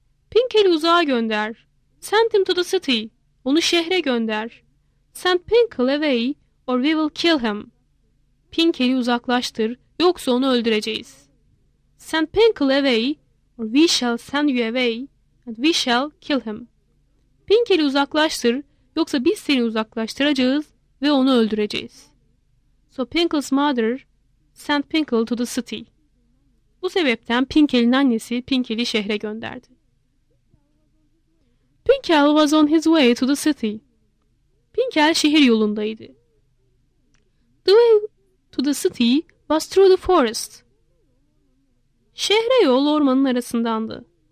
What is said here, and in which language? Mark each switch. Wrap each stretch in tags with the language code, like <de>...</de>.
<tr>Pinkel'i uzağa gönder.</tr> <en>Send him to the city.</en> <tr>Onu şehre gönder.</tr> <en>Send Pinkle away or we will kill him.</en> <tr>Pinkel'i uzaklaştır yoksa onu öldüreceğiz.</tr> <en>Send Pinkle away or we shall send you away and we shall kill him.</en> <tr>Pinkel'i uzaklaştır yoksa biz seni uzaklaştıracağız ve onu öldüreceğiz.</tr> <en>So Pinkle's mother sent Pinkle to the city.</en> <tr>Bu sebepten Pinkel'in annesi Pinkel'i şehre gönderdi.</tr> <en>Pinkel was on his way to the city.</en> <tr>Pinkel şehir yolundaydı.</tr> <en>The way to the city was through the forest.</en> <tr>Şehre yol ormanın arasındandı.</tr>